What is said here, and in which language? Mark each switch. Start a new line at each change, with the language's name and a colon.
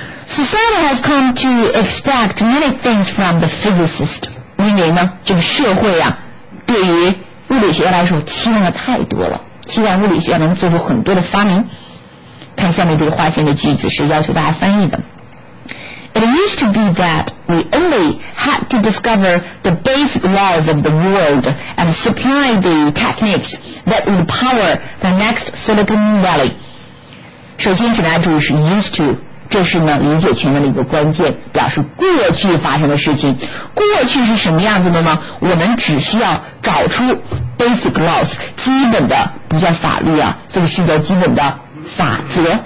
English: Society has come to expect many things from the physicist，
Chinese: 因为呢这个社会啊对于物理学来说期望的太多了，期望物理学能做出很多的发明。看下面这个划线的句子是要求大家翻译的。
English: It used to be that we only had to discover the basic laws of the world and supply the techniques that would power the next Silicon Valley.
Chinese: 首先请大家注意是
English: used to，
Chinese: 这是呢理解全文的一个关键，表示过去发生的事情。过去是什么样子的呢？我们只需要找出
English: basic laws，
Chinese: 基本的，不叫法律啊，这个是叫基本的法则。